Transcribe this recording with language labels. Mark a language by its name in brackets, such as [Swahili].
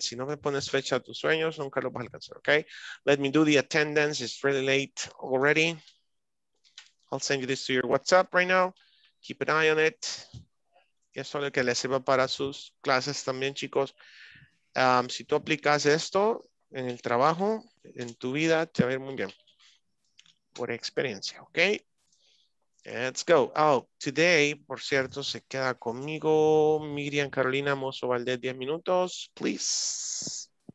[Spanish] Si no me pones fecha a tus sueños, nunca lo vas a alcanzar. [English] Okay. Let me do the attendance. It's really late already. I'll send you this to your WhatsApp right now. Keep an eye on it. [Spanish] Y eso es lo que les sirva para sus clases también, chicos. Si tú aplicas esto en el trabajo, en tu vida, te va a ir muy bien. Por experiencia, ¿ok? [English] Let's go. Oh, today, [Spanish] por cierto, se queda conmigo Miriam Carolina Mozo Valdez, 10 minutos, please.